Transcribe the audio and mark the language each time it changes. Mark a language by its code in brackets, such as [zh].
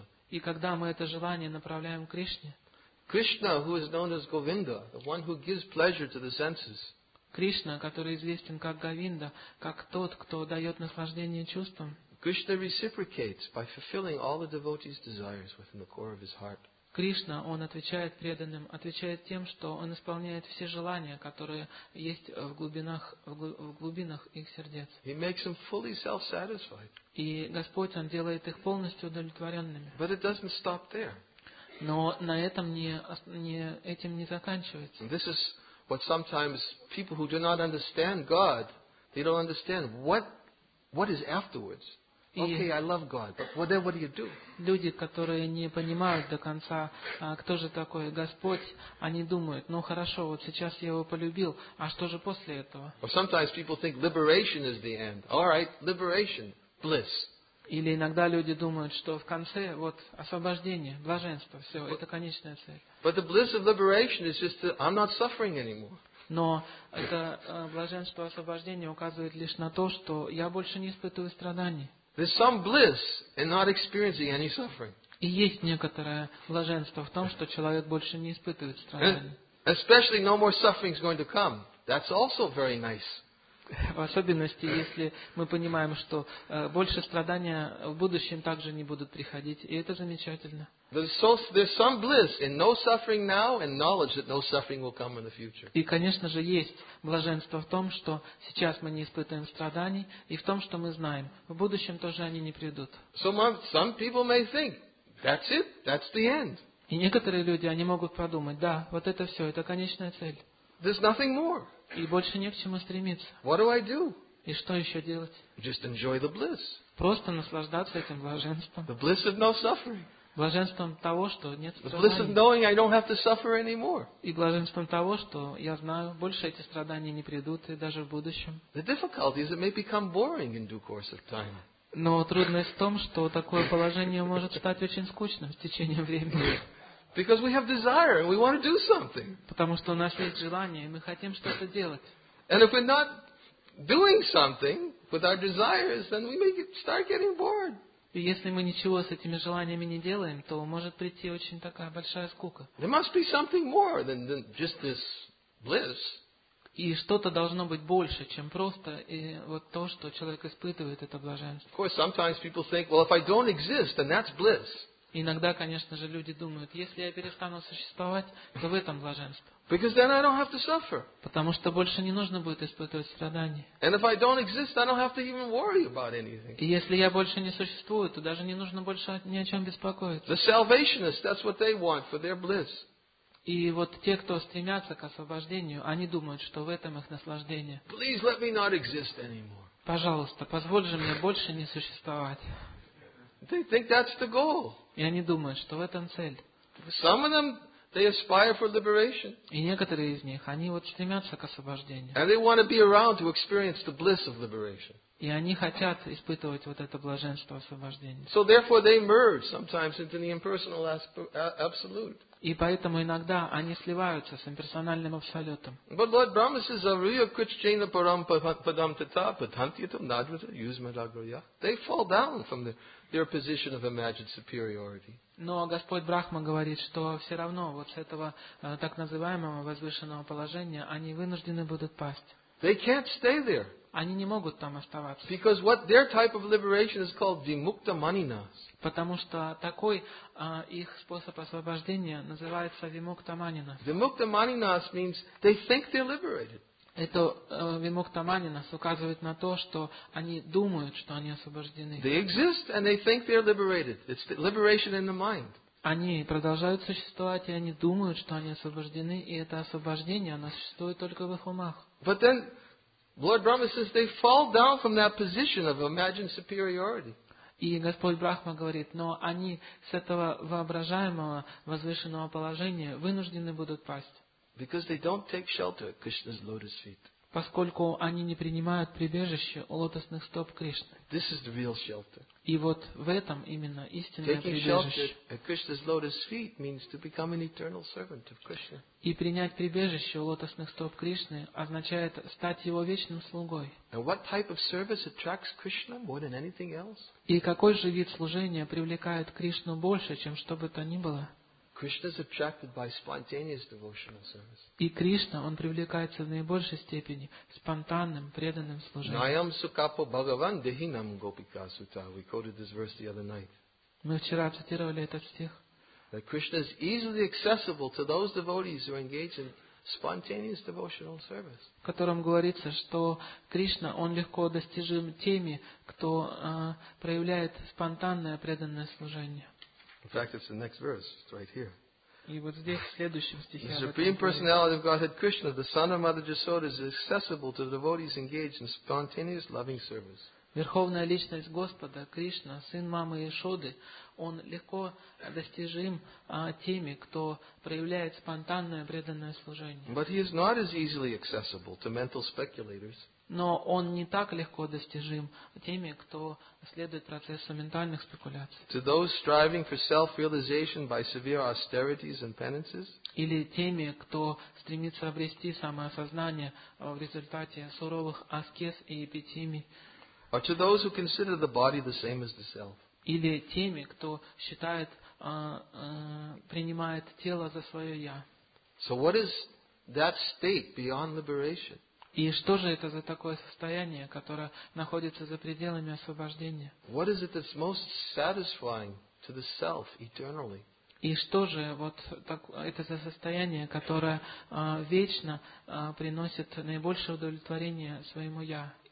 [ru] И когда мы это желание направляем к Кришне, [en] Krishna, who is known as Govinda, the one who gives pleasure to the senses, [ru] Кришна, который известен как Говинда, как тот, кто дает наслаждение чувствам, [en] Krishna reciprocates by fulfilling all the devotees' desires within the core of his heart. [ru] Кришна, он отвечает преданным, отвечает тем, что он исполняет все желания, которые есть в глубинах их сердец. [en] He makes them fully self-satisfied. [ru] И Господь, он делает их полностью удовлетворенными. [en] But it doesn't stop there. [ru] Но на этом этим не заканчивается. [en] And this is what sometimes people who do not understand God, they don't understand what is afterwards. Okay, I love God, but then what do you do? [ru] Люди, которые не понимают до конца, кто же такой Господь, они думают: ну хорошо, вот сейчас я его полюбил, а что же после этого? [en] Or sometimes people think liberation is the end. All right, liberation, bliss. [ru] Или иногда люди думают, что в конце вот освобождение, блаженство, все, это конечная цель. [en] But the bliss of liberation is just that I'm not suffering anymore. [ru] Но это блаженство, освобождение указывает лишь на то, что я больше не испытываю страданий. [en] There's some bliss in not experiencing any suffering. [ru] И есть некоторое блаженство в том, что человек больше не испытывает страданий. [en] Especially no more suffering is going to come. That's also very nice. [ru] В особенности, если мы понимаем, что больше страдания в будущем также не будут приходить, и это замечательно. [en] There's some bliss in no suffering now and knowledge that no suffering will come in the future. [ru] И, конечно же, есть блаженство в том, что сейчас мы не испытываем страданий, и в том, что мы знаем, в будущем тоже они не придут. [en] So some people may think that's it, that's the end. [ru] И некоторые люди, они могут подумать: да, вот это все, это конечная цель. [en] There's nothing more. [ru] И больше не к чему стремиться. [en] What do I do? [ru] И что еще делать? [en] Just enjoy the bliss. [ru] Просто наслаждаться этим блаженством. [en] The bliss of no suffering. [ru] Блаженством того, что нет страданий. [en] The bliss of knowing I don't have to suffer anymore. [ru] И блаженством того, что я знаю, больше эти страдания не придут, и даже в будущем. [en] The difficulty is it may become boring in due course of time. [ru] Но трудность в том, что такое положение может стать очень скучным с течением времени. [en] Because we have desire and we want to do something. [ru] Потому что у нас есть желание, и мы хотим что-то делать. [en] And if we're not doing something with our desires, then we may start getting bored. [ru] И если мы ничего с этими желаниями не делаем, то может прийти очень такая большая скука. [en] There must be something more than just this bliss. [ru] И что-то должно быть больше, чем просто и вот то, что человек испытывает, это блаженство. [en] Of course, sometimes people think, well, if I don't exist, then that's bliss. [ru] Иногда, конечно же, люди думают: если я перестану существовать, то в этом блаженство. [en] Because then I don't have to suffer. [ru] Потому что больше не нужно будет испытывать страдания. [en] And if I don't exist, I don't have to even worry about anything. [ru] И если я больше не существую, то даже не нужно больше ни о чем беспокоиться. [en] The salvationists, that's what they want for their bliss. [ru] И вот те, кто стремятся к освобождению, они думают, что в этом их наслаждение. [en] Please let me not exist anymore. [ru] Пожалуйста, позволь же мне больше не существовать. [en] They think that's the goal. [ru] И они думают, что в этом цель. [en] Some of them, they aspire for liberation. [ru] И некоторые из них, они вот стремятся к освобождению. [en] And they want to be around to experience the bliss of liberation. [ru] И они хотят испытывать вот это блаженство освобождения. [en] So therefore they merge sometimes into the impersonal absolute. [ru] И поэтому иногда они сливаются с имперсональным абсолютом. [en] But Lord Brahma says, [sa] "Avriya kuchchena param padam tata padhantyatam nadvata yuzmadagriya." [en] They fall down from their position of imagined superiority. [ru] Но Господь Брахма говорит, что все равно вот с этого так называемого возвышенного положения они вынуждены будут пасть. [en] They can't stay there. [ru] Они не могут там оставаться. [en] Because what their type of liberation is called vimukta maninas. [ru] Потому что такой их способ освобождения называется vimukta maninas. [en] Vimukta maninas means they think they're liberated. [ru] Это vimukta maninas указывает на то, что они думают, что они освобождены. [en] They exist and they think they're liberated. It's the liberation in the mind. [ru] Они продолжают существовать, и они думают, что они освобождены, и это освобождение, оно существует только в их умах. [en] But then Lord Brahma says they fall down from that position of imagined superiority. [ru] И Господь Брахма говорит, но они с этого воображаемого возвышенного положения вынуждены будут пасть. [en] Because they don't take shelter at Krishna's lotus feet. [ru] поскольку они не принимают прибежище у лотосных стоп Кришны. [en] This is the real shelter. [ru] И вот в этом именно истинное прибежище. И принять прибежище у лотосных стоп Кришны означает стать его вечным слугой. [en] And what type of service attracts Krishna more than anything else? [ru] И какой же вид служения привлекает Кришну больше, чем что бы то ни было? [en] Krishna is attracted by spontaneous devotional service. [ru] И Кришна, он привлекается в наибольшей степени спонтанным преданным служением. [sa] Nayam sukapo bhagavan dehinam gopika suta. [en] We quoted this verse the other night. [ru] Мы вчера цитировали этот стих. [en] That Krishna is easily accessible to those devotees who engage in spontaneous devotional service. [ru] В котором говорится, что Кришна, он легко достижим теми, кто проявляет спонтанное преданное служение. [en] In fact, it's the next verse. It's right here. [ru] И вот здесь, в следующем стихе. [en] The Supreme Personality of Godhead Krishna, the Son of Mother Jasoda, is accessible to devotees engaged in spontaneous loving service. [ru] Верховная личность Господа Кришна, сын мамы Ишоды, он легко достижим теми, кто проявляет спонтанное преданное служение. [en] But he is not as easily accessible to mental speculators. [ru] Но он не так легко достижим теми, кто следует процессу ментальных спекуляций. Или теми, кто стремится обрести самоосознание в результате суровых аскез и эпитимий. Или теми, кто считает, принимает тело за свое «я». [en] So what is that state beyond liberation? [ru] И что же это за такое состояние, которое находится за пределами освобождения? [en] What is it that's most satisfying to the self eternally? [ru] И что же вот так, это за состояние, которое вечно приносит наибольшее удовлетворение своему «я»?